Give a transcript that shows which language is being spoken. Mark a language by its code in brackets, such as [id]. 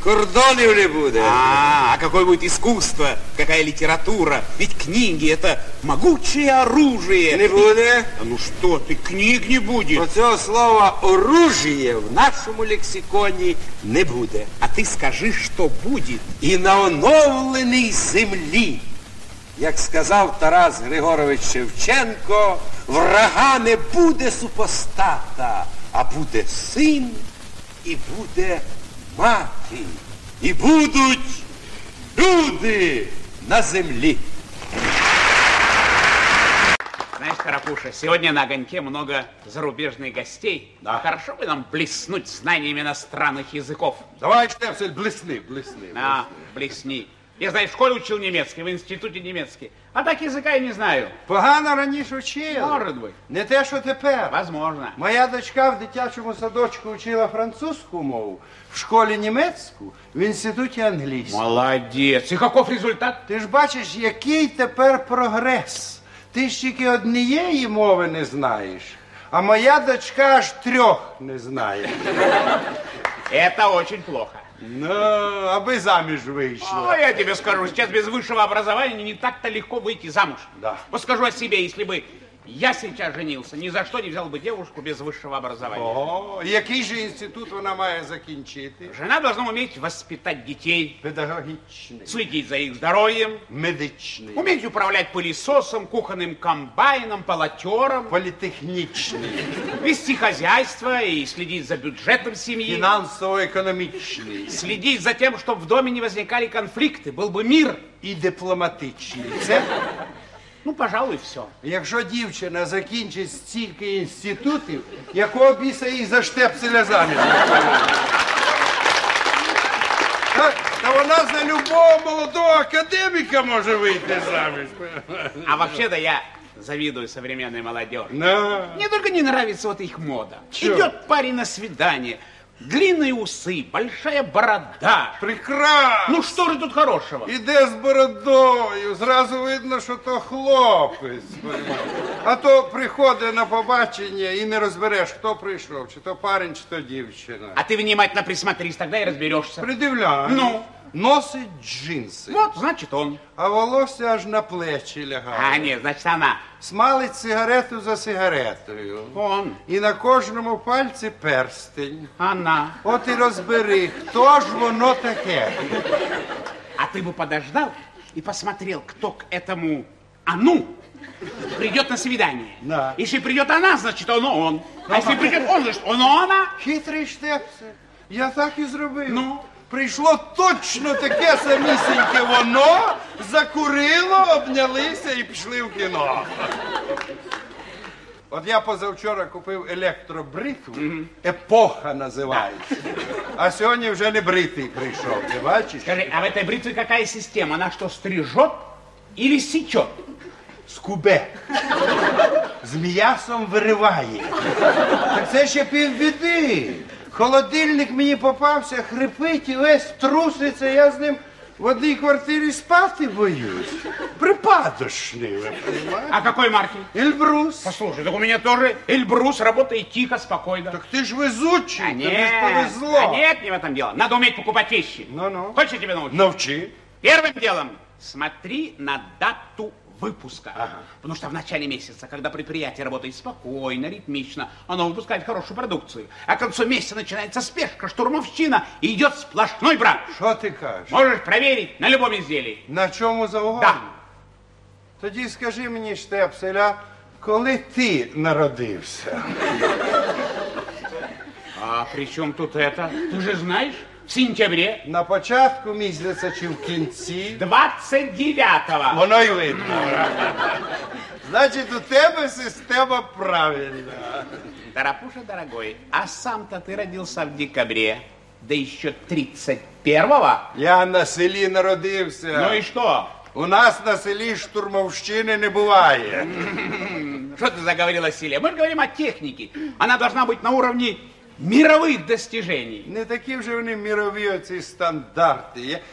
[ru] Кордонов не будет. А какое будет искусство? Какая литература? Ведь книги это могучее оружие. Не будет. А ну что ты, книг не будет. Про это слово оружие в нашем лексиконе не буде. [uk] А ти скажи, що буде. І на оновленій землі, як сказав Тарас Григорович Шевченко, врага не буде супостата, а буде син і буде мати. І будуть люди на землі. [ru] Знаешь, Карапуша, сегодня на Огоньке много зарубежных гостей. Да. Хорошо бы нам блеснуть знаниями иностранных языков. Давай, Штефсель, блесни. Да, блесни. Я, знаешь, в школе учил немецкий, в институте немецкий. А так языка я не знаю. Погано раньше учил. Может быть. Не те, что теперь. Возможно. Моя дочка [uk] в дитячому садочку [ru] учила французскую мову, в школе немецкую, в институте английскую. Молодец. И каков результат? [uk] Ты ж бачишь, який теперь прогресс. Ти ж тільки однієї мови не знаєш, а моя дочка аж трьох не знає. [ru] Это очень плохо. [uk] Ну, аби заміж вийшла. [ru] О, я тебе скажу, сейчас без высшего образования не так-то легко выйти замуж. Да. Вот скажу о себе, если бы я сейчас женился, ни за что не взял бы девушку без высшего образования. [uk] О, який же институт вона має закінчити? [ru] Жена должна уметь воспитать детей. Педагогичный. Следить за их здоровьем. Медичный. Уметь управлять пылесосом, кухонным комбайном, полотером. Политехничный. Вести хозяйство и следить за бюджетом семьи. Финансово-экономичный. Следить за тем, чтобы в доме не возникали конфликты, был бы мир. И дипломатичный. Ну, пожалуй, все. [uk] Якщо дівчина закінчить стільки інститутів, якого біса їй за Штепселя заміж? Та вона за любого молодого академіка може вийти заміж. [ru] А взагалі-то я завидую современной молодежи. Но... Мне только не нравится вот их мода. Чё? Идет парень на свидание. Длинные усы, большая борода. Прекрасно. Ну что же тут хорошего? Иде с бородою, сразу видно, что то хлопец. А то приходит на побачення и не разберешь, кто пришел, чи то парень, чи то девчина. А ты внимательно присмотрись, тогда и разберешься. [uk] Придивляю. [ru] Ну? Носит джинсы. Вот, значит он. [uk] А волосся аж на плечи лягает. [ru] А, нет, значит она. [uk] Смалить сигарету за сигаретою. [ru] Он. И на каждом пальце перстень. Она. Вот и разбери, кто ж воно таке. А ты бы подождал и посмотрел, кто к этому «ану» придет на свидание. Да. Если придет она, значит оно он. А если придет он, значит оно она. Хитрый Штепсе. Я так и сделал. Ну? [uk] Прийшло точно таке самісіньке воно, закурило, обнялися і пішли в кіно. От я позавчора купив електробритву, епоха називається. А сьогодні вже не бритий прийшов, ти бачиш? Скажи, а в цій бритві яка система? Вона що, [ru] стрижет или [uk] січет? Скубе. З м'ясом вириває. Так це ще піввіди. Холодильник мені попався, хрипить і весь труситься, я з ним в одній квартирі спати боюсь. Припадочний, ви [ru] понимаете? А какой марки? Ельбрус. Послушай, так [uk] у мене теж [ru] Ельбрус, работает тихо, спокойно. [uk] Так ти ж везучий, [ru] а нет, [uk] тобі ж повезло. [ru] А нет, не в этом дело. Надо уметь покупать вещи. Ну-ну. Хочешь, я тебе научу? Навчи. Первым делом смотри на дату выпуска. Ага. Потому что в начале месяца, когда предприятие работает спокойно, ритмично, оно выпускает хорошую продукцию. А к концу месяца начинается спешка, штурмовщина, и идет сплошной брак. Что ты кажешь? Можешь проверить на любом изделии. На чем заугодно? Да. Тогда скажи мне, Штепсель, а когда ты народился? А при чем тут это? Ты же знаешь, в сентябре. [uk] На початку месяца, чи в кінці? [ru] 29-го. [uk] Воно и видно. [ru] Значит, у тебя система правильна. Тарапуша, дорогой, а сам-то ты родился в декабре, да еще 31-го? [uk] Я на селі народився. [ru] Ну и что? [uk] У нас на селі штурмовщини не буває. [ru] Что ты заговорила о селе? Мы же говорим о технике. Она должна быть на уровне мировых достижений. Не такие же они мировые, эти стандарты.